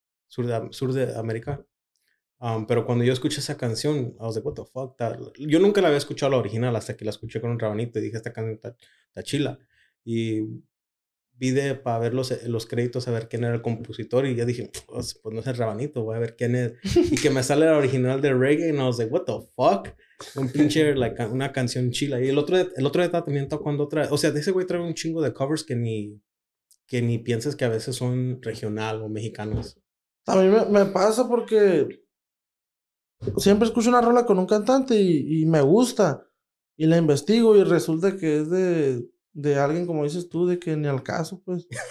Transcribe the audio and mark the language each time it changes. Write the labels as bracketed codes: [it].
[es] Sur de América. Pero cuando yo escuché esa canción, [en] I was like, what the fuck? [es] Yo nunca la había escuchado la original hasta que la escuché con un Rabanito y dije, esta canción está chila. Y vi de para ver los créditos, a ver quién era el compositor. Y ya dije, pues no es el Rabanito, voy a ver quién es. Y que me sale la original de reggae y [en] I was like, what the fuck? [es] Un pinche, like, una canción chila. Y el otro día también tocando otra. O sea, ese güey trae un chingo de covers que ni piensas que a veces son regional o mexicanos. A mí me pasa porque siempre escucho una rola con un cantante y me gusta. Y la investigo y resulta que es de alguien, como dices tú, de que ni al caso, pues.